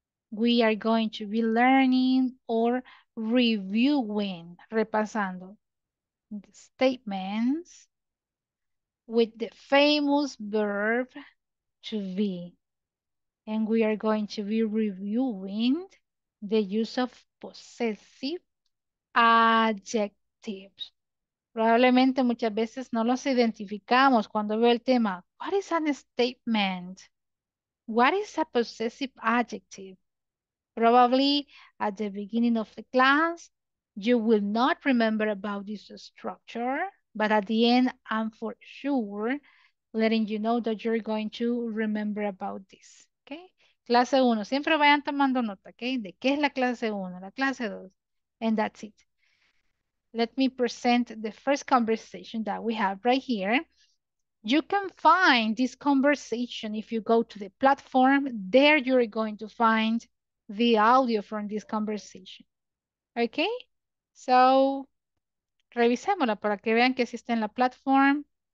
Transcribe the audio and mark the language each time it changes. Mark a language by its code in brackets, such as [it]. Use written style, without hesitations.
[en] We are going to be learning or reviewing, [es] repasando, [en] the statements with the famous verb to be. And we are going to be reviewing the use of possessive adjectives. [es] Probablemente muchas veces no los identificamos cuando veo el tema. [en] What is an statement? What is a possessive adjective? Probably at the beginning of the class, you will not remember about this structure, but at the end, I'm for sure letting you know that you're going to remember about this. [es] Okay? Clase 1. Siempre vayan tomando nota, okay? De qué es la clase 1, la clase 2. [en] And that's it. Let me present the first conversation that we have right here. You can find this conversation if you go to the platform. There you're going to find the audio from this conversation. Okay? [es] So, revisémosla para que vean que sí está en la platform.